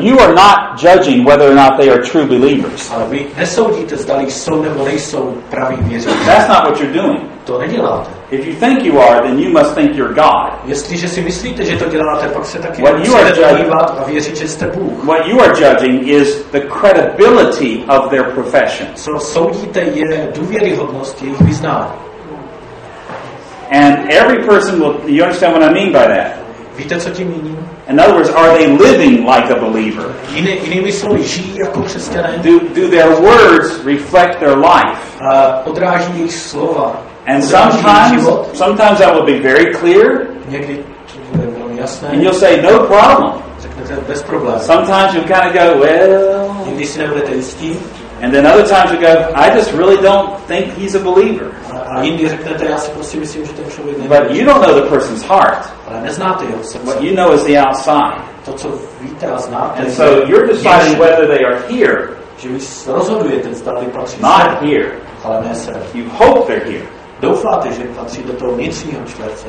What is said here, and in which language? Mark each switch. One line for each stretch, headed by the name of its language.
English: You are not judging whether or not they are true believers.
Czech: Ale vy nesoudíte, zdali jsou nebo nejsou praví věřící.
English: That's not what you're doing.
Czech: To neděláte.
English: If you think you are, then you must think you're God.
Czech: Jestliže si myslíte, že to děláte, pak se taky musíte dívat a věřit, že jste Bůh.
English: What you are judging is the credibility of their profession.
Czech: Co soudíte, je důvěryhodnost jejich vyznání.
English: And every person will, you understand what I mean by that?
Czech: Víte, co tím míním?
English: In other words, are they living like a believer?
Czech: Jinými slovy, žijí jako křesťané?
English: Do their words reflect their life?
Czech: Odráží jejich slova.
English: And sometimes that will be very clear.
Czech: Někdy to bude velmi jasné.
English: And you'll say, no problem.
Czech: Řeknete, bez problém.
English: Sometimes you'll kind of go, well...
Czech: Někdy si nebudete jistí.
English: And then other times you go, I just really don't think he's a believer.
Czech: A jindy řeknete, já si prostě myslím, že ten člověk nevěří.
English: But you don't know the person's heart.
Czech: Ale neznáte jeho srdce.
English: What you know is the outside.
Czech: To, co víte a znáte.
English: And so you're deciding whether they are here.
Czech: Že vy rozhodujete, zdali patří sem.
English: Not here.
Czech: Ale ne sem.
English: You hope they're here.
Czech: Doufáte, že patří do toho vnitřního čtverce.